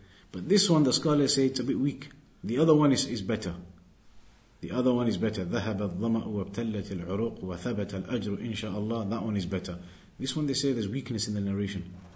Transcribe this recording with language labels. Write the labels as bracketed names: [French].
[English] But this one, the scholars say it's a bit weak. The other one is better. The other one is better. [Arabic] ذهب الظمأ وابتلت العروق وثبت الأجر إن شاء الله. [English] That one is better. This one they say there's weakness in the narration.